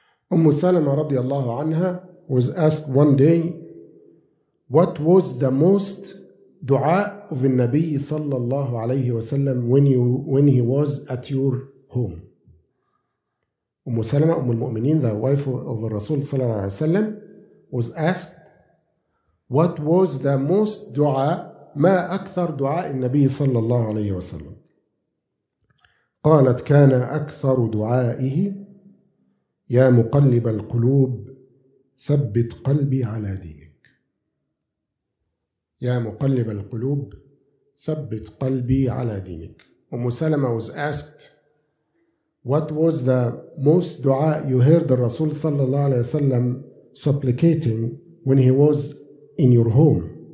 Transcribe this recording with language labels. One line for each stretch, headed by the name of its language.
English: Umm Salama
Arabic: رضي الله عنها
English: was asked one day, what was the most dua of the Nabi
Arabic: صلى الله عليه وسلم
English: when he was at your home? Umm Salama, Umm al-Mu'mineen, the wife of the Rasul
Arabic: صلى الله عليه وسلم,
English: was asked, what was the most dua,
Arabic: ما أكثر دعاء النبي صلى الله عليه وسلم؟ قالت كان أكثر دعائه يا مقلب القلوب ثبت قلبي على دينك. يا مقلب القلوب ثبت قلبي على دينك.
English: Umm Salama was asked, what was the most dua you heard the Rasul
Arabic: sallallahu alayhi wa sallam
English: supplicating when he was in your home?